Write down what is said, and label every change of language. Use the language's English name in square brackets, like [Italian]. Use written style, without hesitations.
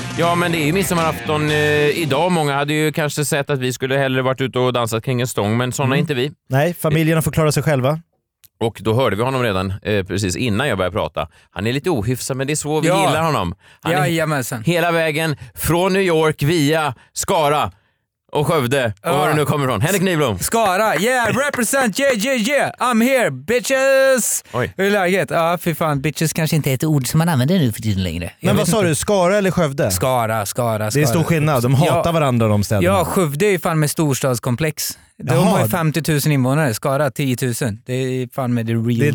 [Swedish] Ja, men det är ju midsommarafton idag. Många hade ju kanske sett att vi skulle hellre varit ute och dansat kring en stång, men såna inte vi. Nej, familjerna får klara sig själva. Och då hörde vi honom redan precis innan jag började prata. Han är lite ohyfsad, men det är så vi gillar honom. Jajamensan. Hela vägen från New York via Skara. Och Skövde, och var du nu kommer från. Henrik Nyblom. [English] Skara, yeah, represent, yeah, yeah, yeah. I'm here, bitches. [Swedish] Oj. Hur är läget? Ja, fy fan, bitches kanske inte är ett ord som man använder nu för tiden längre. Men vad sa du, Skara eller Skövde? Skara. Det är stor skillnad, de hatar varandra de städerna. Ja, Skövde är ju fan med storstadskomplex. De har ju 50 000 invånare, Skara 10 000. Det är fan med [English] the real deal.